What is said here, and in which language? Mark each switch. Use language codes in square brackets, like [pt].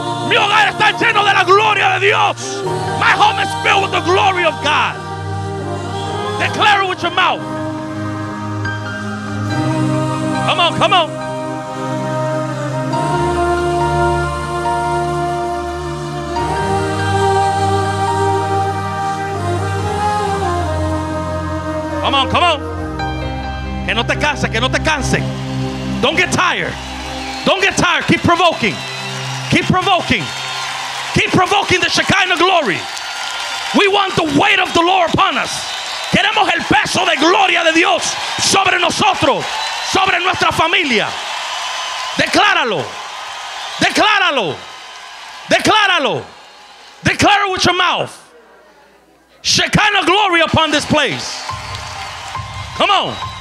[es] Mi hogar está lleno de la gloria de Dios. [en] My home is filled with the glory of God. Declare it with your mouth. Come on, come on. Come on, come on. [es] Que no te canse, que no te canse. [en] Don't get tired. Don't get tired. Keep provoking. Keep provoking. Keep provoking the Shekinah glory. We want the weight of the Lord upon us. [es] Queremos el peso de gloria de Dios sobre nosotros, sobre nuestra familia. Decláralo. Decláralo. Decláralo. [en] Declare it with your mouth. Shekinah glory upon this place. Come on.